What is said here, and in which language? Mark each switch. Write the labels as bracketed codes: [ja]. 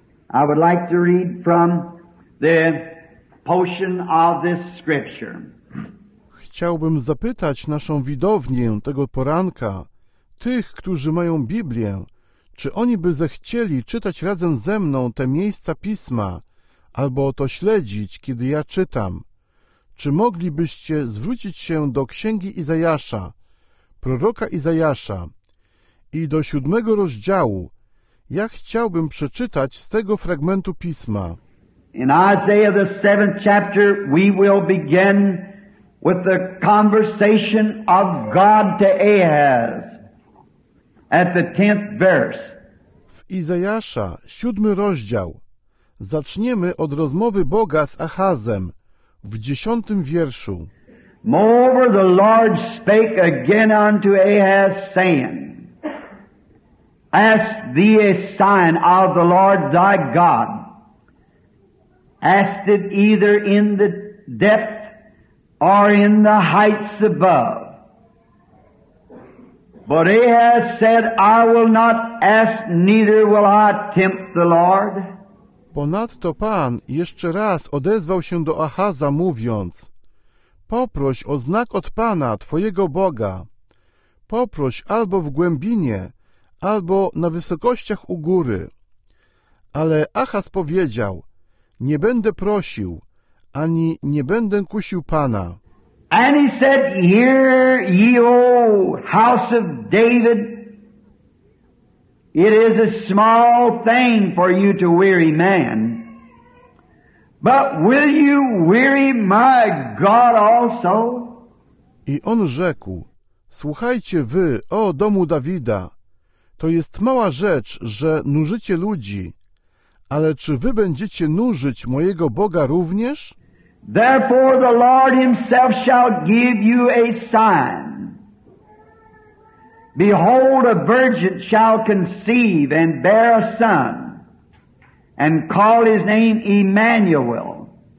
[en] I would like to read from the portion of this scripture. [pl] chciałbym zapytać naszą widownię tego poranka, tych, którzy mają Biblię, czy oni by zechcieli czytać razem ze mną te miejsca Pisma, albo to śledzić, kiedy ja czytam. Czy moglibyście zwrócić się do Księgi Izajasza, proroka Izajasza, i do 7 rozdziału? Ja chciałbym przeczytać z tego fragmentu Pisma. [en] In Isaiah, the 7th chapter, we will begin with the conversation of God to Ahaz at the 10th verse. [pl] W Izajasza, 7 rozdział, zaczniemy od rozmowy Boga z Ahazem w 10 wierszu. [en] Moreover, the Lord spake again unto Ahaz, saying, Ask thee a sign of the Lord thy God. Ask it either in the depth or in the heights above. But Ahaz said, I will not ask, neither will I tempt the Lord. [pl] Ponadto Pan jeszcze raz odezwał się do Ahaza, mówiąc, Poproś o znak od Pana, Twojego Boga. Poproś albo w głębinie, albo na wysokościach u góry. Ale Ahaz powiedział, Nie będę prosił, ani nie będę kusił Pana. [en] And he said, Hear ye, O house of David, it is a small thing for you to weary man, but will you weary my God also? [pl] I on rzekł, Słuchajcie wy, o domu Dawida, to jest mała rzecz, że nużycie ludzi, ale czy wy będziecie nużyć mojego Boga również? [en] Therefore the Lord himself shall give you a sign. Behold, a virgin shall conceive and bear a son, and call his name Emmanuel.